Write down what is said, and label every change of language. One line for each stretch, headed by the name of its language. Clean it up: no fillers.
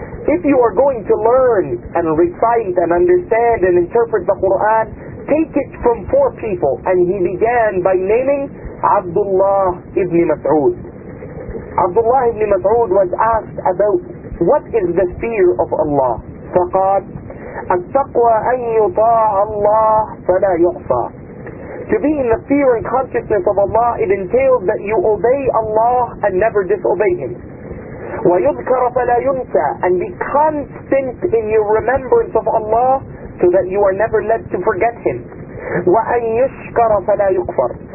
English: If you are going to learn and recite and understand and interpret the Qur'an, take it from four people. And he began by naming Abdullah ibn Mas'ud. Abdullah ibn Mas'ud was asked about what is the fear of Allah.
Arabic: فقال التقوى أن يطاع الله فلا يعصى.
English: To be in the fear and consciousness of Allah, it entails that you obey Allah and never disobey Him.
Arabic: وَيُذْكَرَ فَلَا يُنْسَى.
English: And be constant in your remembrance of Allah so that you are never led to forget Him.
Arabic: وَأَنْ يُشْكَرَ فَلَا يُكْفَرَ.